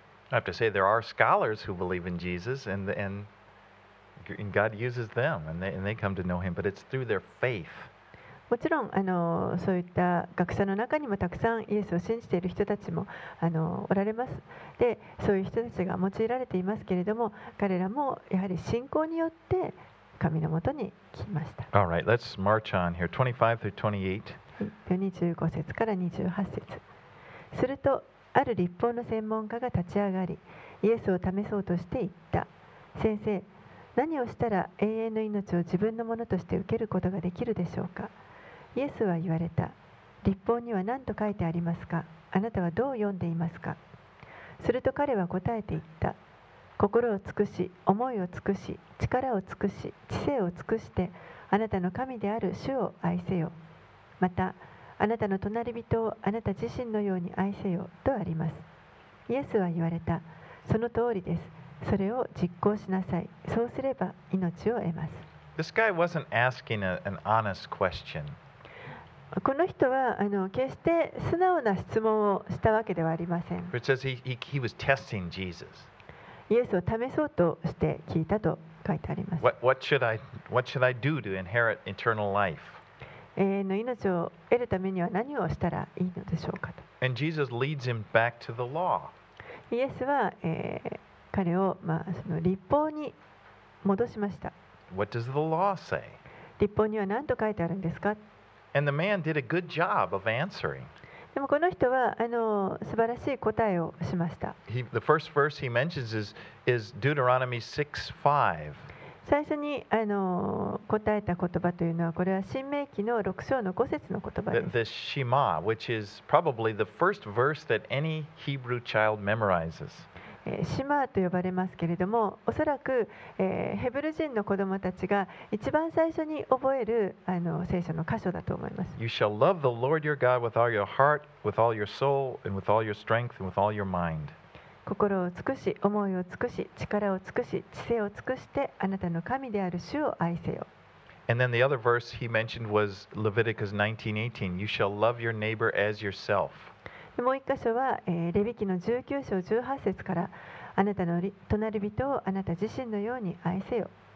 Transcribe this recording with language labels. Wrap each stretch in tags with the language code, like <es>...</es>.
<en>I have to say there are scholars who believe in Jesus and God uses them and they come to know him, but it's through their faith.</en> <ja>もちろんそういった学者の中にもたくさんイエスを信じている人たちもおられます。でそういう人たちが用いられていますけれども、彼らもやはり信仰によって神のもとに来ました。</ja> <en>All right, let's march on here. 25 through</en> <ja>28 25節から28節。すると、ある律法の専門家が立ち上がり、イエスを試そうとして言った。先生、何をしたら永遠の命を自分のものとして受けることができるでしょうか。イエスは言われた。律法には何と書いてありますか。あなたはどう読んでいますか。すると彼は答えて言った。心を尽くし、思いを尽くし、力を尽くし、知性を尽くして、あなたの神である主を愛せよ。また、あなたの隣人をあなた自身のように愛せよ、とあります。イエスは言われた。その通りです。それを実行しなさい。そうすれば命を得ます。</ja> <en>This guy wasn't asking an honest question.</en> <ja>この人は決して素直な質問をしたわけではありません。</ja> <en>He was testing Jesus.</en> <ja>イエスを試そうとして聞いたと書いてあります。</ja> <en>What should I do to inherit eternal life?</en> <ja>永遠の命を得るためには何をしたらいいのでしょうかと。</ja> <en>And Jesus leads him back to the law.</en> <ja>イエスは、彼を、その律法に戻しました。</ja> <en>What does the law say?</en> <ja>律法には何と書いてあるんですか。</ja> <en>And the man did a good job of answering.</en> <ja>でもこの人は素晴らしい答えをしました。</ja> <en>The first verse he mentions is Deuteronomy 6:5.</en> <ja>最初に答えた言葉というのは、これは新命記の6章の5節の言葉です。</ja> <en>The Shema, which is probably the first verse that any Hebrew child memorizes.</en> <ja>シマと呼ばれますけれども、おそらく、ヘブル人の子どもたちが一番最初に覚える聖書の箇所だと思います。</ja> <en>You shall love the Lord your God with all your heart, with all your soul, and with all your strength, and with all your mind.</en> <ja>心を尽くし、思いを尽くし、力を尽くし、知性を尽くして、あなたの神である主を愛せよ。</ja> <en>And then the other verse he mentioned was Leviticus 19:18. You shall love your neighbor as yourself.</en> <ja>もう一箇所は、レビ記の19章18節から、あなたの隣人をあなた自身のように愛せよ。</ja>